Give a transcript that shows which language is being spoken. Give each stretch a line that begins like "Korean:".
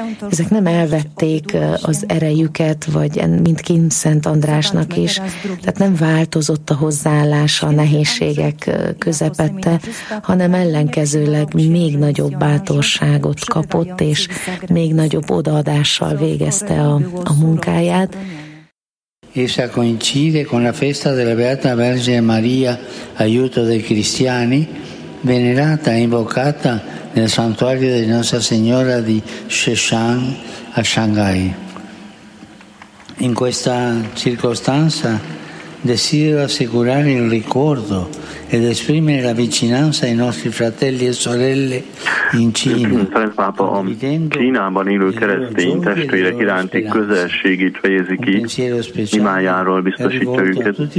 Hungarian: ezek nem elvették az erejüket, vagy mint Kim Szent Andrásnak is, tehát nem változott a hozzáállása a nehézségek közepette, hanem ellenkezőleg még nagyobb bátorságot kapott, és még nagyobb odaadással végezte a munkáját.
Italian: És a coincide con la festa della Beata Vergine Maria, aiuto dei cristiani, venerata e invocata nel santuario di Nostra Signora di Shenzhen a Shanghai. In questa circostanza desidero assicurare il ricordo ed esprimere la vicinanza ai nostri fratelli e sorelle in Cina.
Hungarian: Ferenc pápa a Kínában élő keresztény testvérek iránti közelségét fejezi ki, imájáról biztosítja őket.